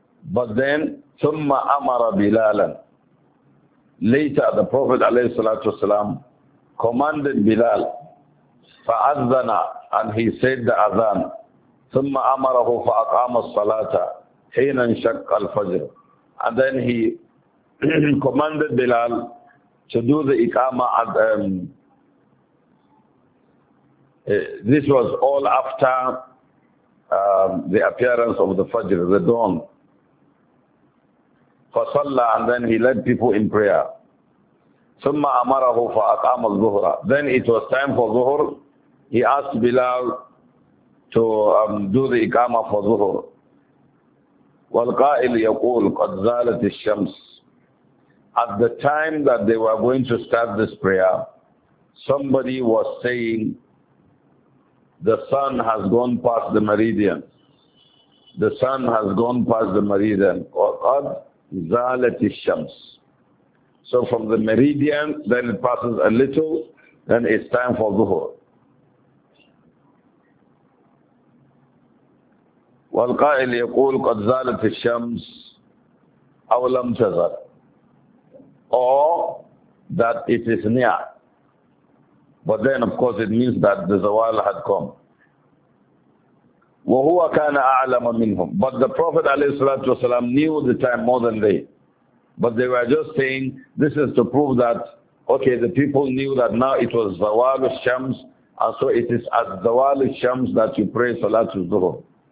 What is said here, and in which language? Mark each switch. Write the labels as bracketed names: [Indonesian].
[English] But then, [Arabic] ثُمَّ أَمَرَ بِلَالًا. [English] Later, the Prophet alayhi salatu wasalam commanded Bilal, [Arabic] فَأَذَّنَا, [English] and he said the adhan, [Arabic] ثُمَّ أَمَرَهُ فَأَقَامَ الصَّلَاةَ حِينَ شَقَّ الْفَجْرِ. [English] And then he commanded Bilal to do the iqamah. This was all after the appearance of the fajr, the dawn. [Arabic] فَصَلَّى, [English] and then he led people in prayer. [Arabic] ثُمَّ أَمَرَهُ فَأَقَامَ الظُّهْرَ. [English] Then it was time for Zuhur. He asked Bilal to do the iqamah for Zuhur. [Arabic] والقائل يقول قد زالت الشمس. [English] At the time that they were going to start this prayer, somebody was saying, the sun has gone past the meridian. The sun has gone past the meridian. [Arabic] قد زالت الشمس. [English] So from the meridian, then it passes a little, then it's time for Zuhur. [Arabic] والقائل يقول قد زالت الشمس أو لم تزل, [English] or that it is near. But then of course it means that the zawal had come. [Arabic] وهو كان أعلم منهم. [English] But the Prophet [Arabic] عليه الصلاة والسلام [English] knew the time more than they. But they were just saying this is to prove that okay, the people knew that now it was zawal al-shams, and so it is at zawal al-shams that you pray salat al-zuhur.